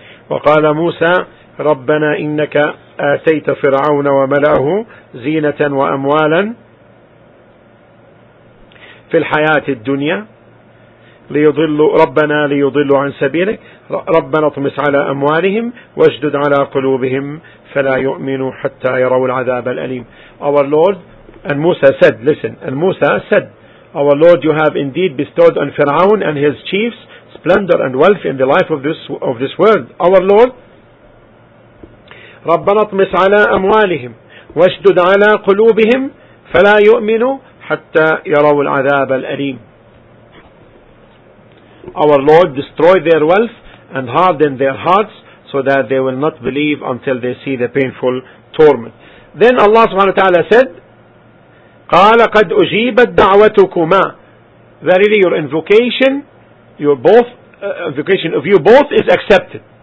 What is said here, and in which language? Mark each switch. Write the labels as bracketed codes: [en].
[ar] وَقَالَ مُوسَى رَبَّنَا إِنَّكَ آتَيْتَ فِرْعَوْنَ وَمَلَأَهُ زِينَةً وَأَمْوَالًا فِي الْحَيَاةِ الدُّنْيَا رَبَّنَا لِيُضِلُّ عَنْ سَبِيلِكَ رَبَّنَا اطْمِسْ عَلَى أَمْوَالِهِمْ وَاجْدُدْ عَلَى قُلُوبِهِمْ فَلَا يُؤْمِنُوا حَتَّى يَرَوُوا الْعَذَابَ الْأَلِيمَ. [en] Our Lord and Musa said, listen, and Musa said, our Lord, you have indeed bestowed on Fir'aun and his chiefs splendor and wealth in the life of this world. Our Lord, [ar] ربنا اطمس على أموالهم واشدد على قلوبهم فلا يؤمنوا حتى يروا العذاب الأليم. [en] Our Lord, destroy their wealth and harden their hearts so that they will not believe until they see the painful torment. Then Allah subhanahu wa ta'ala said, [ar] قال قد أجيبت دعوتكما. [en] Verily your invocation, invocation of you both is accepted.